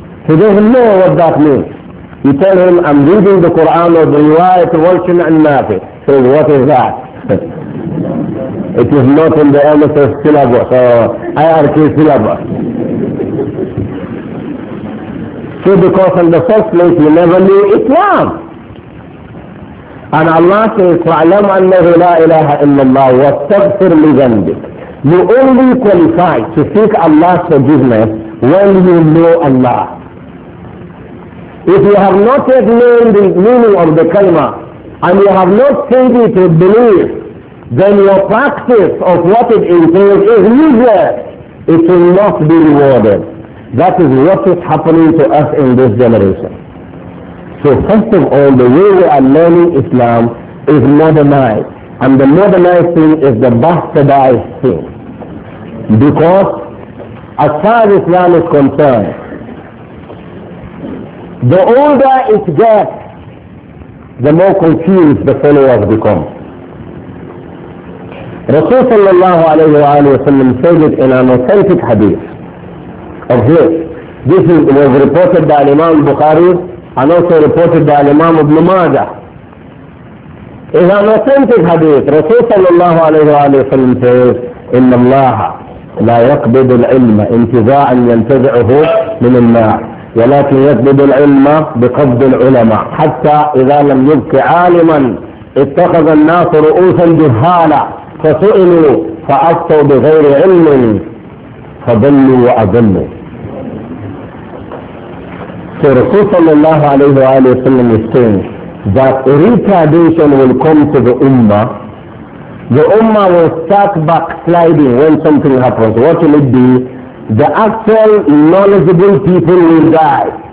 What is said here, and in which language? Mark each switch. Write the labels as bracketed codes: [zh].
[en] He doesn't know what that means. You tell him, I'm reading the Quran or the riwayat of Walshin and Nafi. So what is that? It is not in the MSS syllabus or IRK syllabus. So because in the first place you never knew Islam. And Allah says, [ar] فَعْلَمْ أَنَّهُ لَا إِلَهَ إِلَّا اللَّهُ وَاسْتَغْفِرْ لِذَنْبِكَ. [en] You only qualify to seek Allah's forgiveness when you know Allah. If you have not yet known the meaning of the kalima, and you have not changed it to belief, then your practice of what it entails is useless. It will not be rewarded. That is what is happening to us in this generation. So first of all, the way we are learning Islam is modernized. And the modernized thing is the bastardized thing. Because as far as Islam is concerned, the older it gets, the more confused the followers become. Rasul sallallahu alayhi wa sallam said it in an authentic hadith of his. This was reported by Imam Bukhari and also reported by Imam Ibn Majah. In an authentic hadith, Rasul sallallahu alayhi wa sallam says, [ar] إِنَّ اللَّهَ لَا يَقْبِدُ الْعِلْمَ إِنْتِزَاعًا يَنْتَزِعُهُ مِنَ النَّاعِ ولكن يقبض العلم بقبض العلماء حتى إذا لم يبق عالما اتخذ الناس رؤوسا جهالا فسئلوا فأفتوا بغير علم فضلوا وأضلوا. [en] So Rasul sallallahu alayhi wa sallam is saying that retardation will come to the ummah. The ummah will start backsliding when something happens. What will it be? The actual knowledgeable people will die.